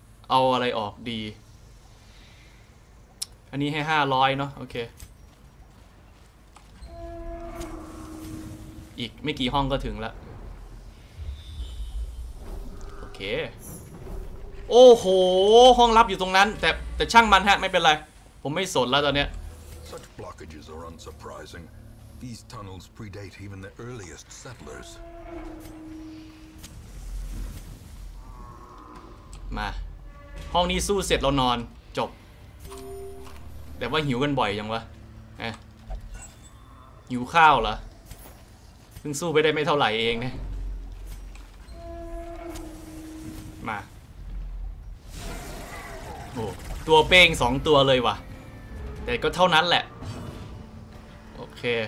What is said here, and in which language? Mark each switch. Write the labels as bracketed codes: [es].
[th] เอาอะไรออกดีอันนี้ให้500เนาะโอเคอีกไม่กี่ห้องก็ถึงแล้วโอเคโอ้โหห้องลับอยู่ตรงนั้นแต่ช่างมันฮะไม่เป็นไรผมไม่สนแล้วตอนเนี้ย [en] Such blockages are unsurprising. These tunnels predate even the earliest settlers. [th] มาห้องนี้สู้เสร็จเรานอนจบแต่ว่าหิวกันบ่อยยังวะหิวข้าวเหรอเพิ่งสู้ไปได้ไม่เท่าไหร่เองเนี่ยมาโอ้ตัวเป้ง2ตัวเลยวะแต่ก็เท่านั้นแหละโอเค